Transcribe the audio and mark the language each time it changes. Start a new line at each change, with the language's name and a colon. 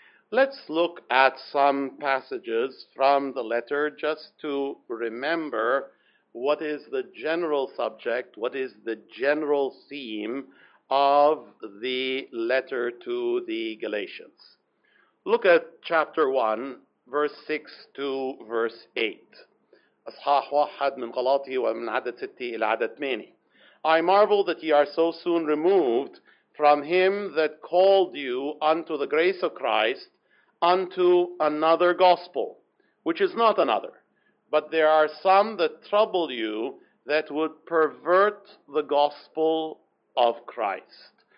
English: Let's look at some passages from the letter just to remember what is the general subject, what is the general theme of the letter to the Galatians. Look at chapter 1, verse 6 to verse 8.
Arabic: أصحاح واحد من غلاطي ومن عدد ستي إلى عدد ثماني.
English: I marvel that ye are so soon removed from him that called you unto the grace of Christ unto another gospel, which is not another. But there are some that trouble you that would pervert the gospel of Christ.